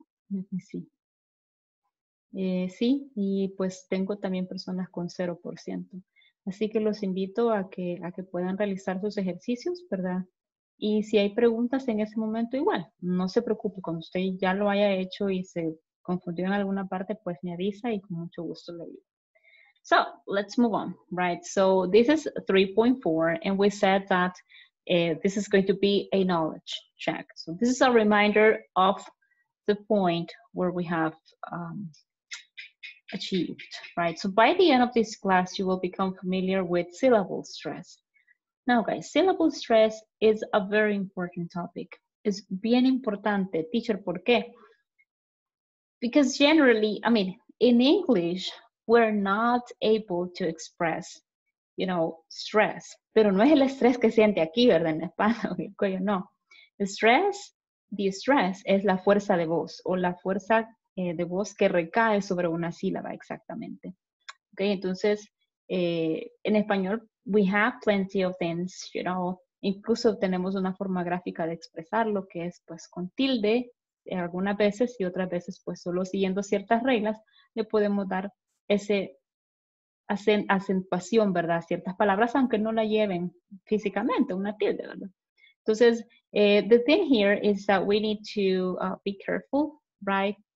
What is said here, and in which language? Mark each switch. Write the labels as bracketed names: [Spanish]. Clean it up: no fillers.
[Spanish] Sí, y pues tengo también personas con 0%. Así que los invito a que puedan realizar sus ejercicios, ¿verdad? Y si hay preguntas en ese momento, igual, no se preocupe. Cuando usted ya lo haya hecho y se confundió en alguna parte, pues me avisa y con mucho gusto le digo. [English] So, let's move on, right? So, this is 3.4 and we said that this is going to be a knowledge check. So, this is a reminder of the point where we have achieved, right? So, by the end of this class, you will become familiar with syllable stress. Now, guys, syllable stress is a very important topic. [Spanish] Es bien importante. Teacher, ¿por qué? [English] Because generally, I mean, in English, we're not able to express, stress. [Spanish] Pero no es el estrés que siente aquí, ¿verdad? En España, en el cuello, no. The stress es la fuerza de voz o la fuerza de voz que recae sobre una sílaba, exactamente. Okay, entonces, en español, [English] we have plenty of things, [Spanish] Incluso tenemos una forma gráfica de expresarlo que es pues con tilde algunas veces y otras veces pues solo siguiendo ciertas reglas le podemos dar ese acentuación, ¿verdad? Ciertas palabras aunque no la lleven físicamente, una tilde, ¿verdad? [English] Entonces, the thing here is that we need to be careful, right?